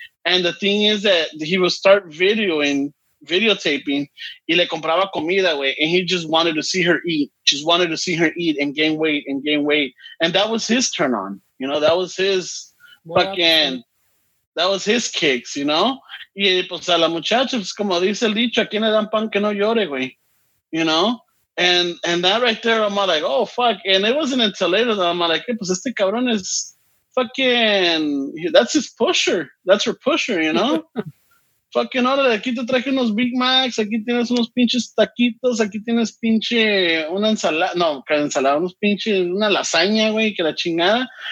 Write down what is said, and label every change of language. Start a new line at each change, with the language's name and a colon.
English: And the thing is that he would start videotaping,
Spanish: y le compraba comida, güey,
English: and he just wanted to see her eat, and gain weight. And that was his turn on, you know, that was his fucking, that was his kicks, you know?
Spanish: Y pues a la muchacha, pues como dice el dicho, ¿a quién le dan pan que no llore, güey?
English: You know? And that right there, I'm like, oh, fuck. And it wasn't until later that I'm like, hey,
Spanish: pues este cabrón es...
English: Fucking, that's his pusher. That's her pusher, you know?
Spanish: Fucking, órale, aquí te traje unos Big Macs, aquí tienes unos pinches taquitos, aquí tienes pinche una ensalada, no, ensalada, unos pinches, una lasaña, güey, que la chingada.